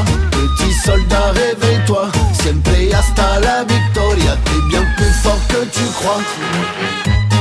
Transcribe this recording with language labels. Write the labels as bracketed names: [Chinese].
[French] Petit soldat, réveille-toi. [Spanish] Siempre hasta la victoria. [French] T'es bien plus fort que tu crois.